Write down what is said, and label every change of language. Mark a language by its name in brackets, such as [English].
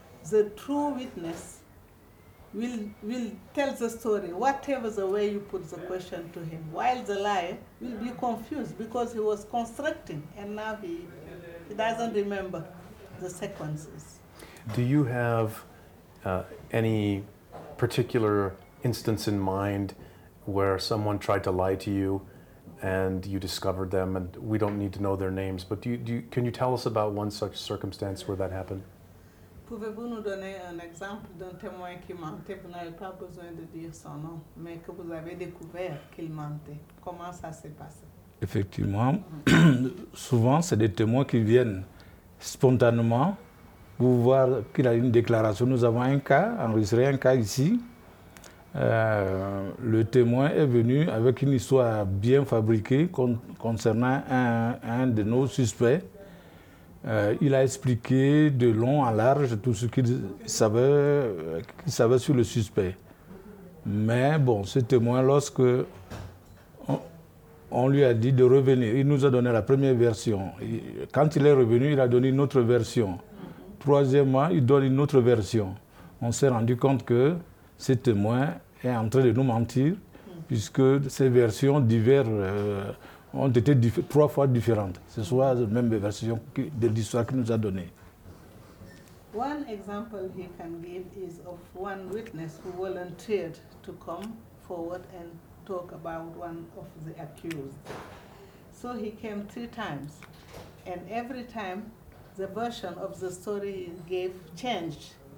[English] The true witness will tell the story whatever the way you put the question to him, while the liar will be confused because he was constructing and now he doesn't remember the sequences. Do you have any particular instance in mind where someone tried to lie to you and you discovered them, and we don't need to know their names, but can you tell us about one such circumstance where that happened? [French] Pouvez-vous nous donner un exemple d'un témoin qui mentait? Vous n'avez pas besoin de dire son nom, mais que vous avez découvert qu'il mentait. Comment ça s'est passé? Effectivement, souvent, c'est des témoins qui viennent spontanément pour voir qu'il a une déclaration. Nous avons un cas, enregistré un cas ici. Le témoin est venu avec une histoire bien fabriquée concernant un de nos suspects. Il a expliqué de long en large tout ce qu'il savait sur le suspect. Mais bon, ce témoin, lorsque on lui a dit de revenir, il nous a donné la première version. Quand il est revenu, il a donné une autre version. Troisièmement, il donne une autre version. On s'est rendu compte que ce témoin est en train de nous mentir. puisque ces versions diverses ont été trois fois différentes. Ce soit la même version de l'histoire qu'il nous a donnée. [English] One example he can give is of one witness who volunteered to come forward and talk about one of the accused. So he came three times, and every time the version of the story he gave changed.